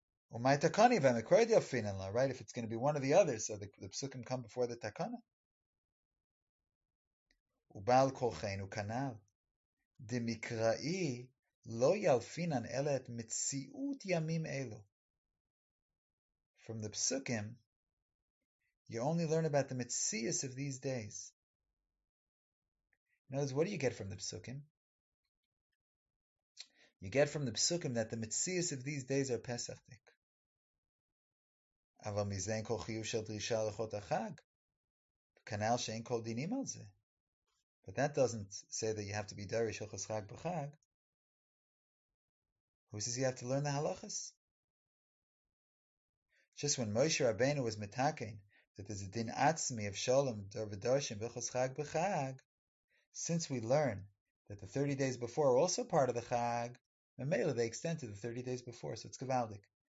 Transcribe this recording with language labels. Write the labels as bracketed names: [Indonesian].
[Hebrew] ומה תקני והמקורד יופין אלה, right? [English] If it's going to be one or the other, so the פסוקים come before the תקנה. [Hebrew] ובעל כורחנו כנל. דמקראי לא ילפינן אלא את מציאות ימים אלו. [English] From the psukim, you only learn about the mitzias of these days. In other words, what do you get from the psukim? You get from the psukim that the mitzias of these days are pesachtik. [Hebrew] אבל מזה אין כל חיוב של דרישה הלכות החג. כנל שאין כל דינים על זה. [English] But that doesn't say that you have to be derish hilchos chag b'chag. Who says you have to learn the halachas? Just when Moshe Rabbeinu was metaken that there's a din atzmi of shalom dor v'dorshim hilchos chag b'chag, since we learn that the 30 days before are also part of the chag, memela they extend to the 30 days before, so it's gevaldik.